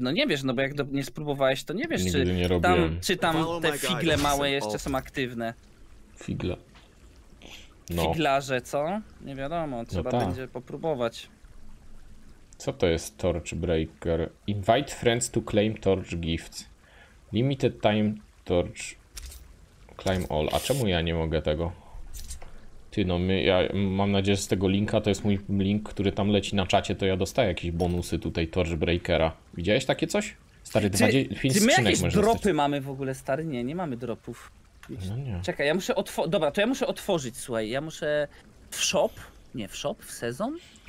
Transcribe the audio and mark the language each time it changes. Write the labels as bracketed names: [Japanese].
[Polish] No nie wiesz, no bo jak nie spróbowałeś, to nie wiesz, nigdy czy nie tam, te figle małe jeszcze są aktywne. Figle. No. Figlarze, co? Nie wiadomo, trzeba będzie popróbować. Co to jest Torch Breaker? [English] Invite friends to claim Torch gifts. Limited time torch climb all. [Polish] A czemu ja nie mogę tego? Ty no, ja mam nadzieję, że z tego linka, to jest mój link, który tam leci na czacie, to ja dostaję jakieś bonusy tutaj Torch Breakera. Widziałeś takie coś? Stary, czy my jakieś dropy mamy w ogóle, stary? Nie, nie mamy dropów. No nie. Czekaj, ja muszę dobra, to ja muszę otworzyć, słuchaj, ja muszę w shop, nie w shop, w sezon.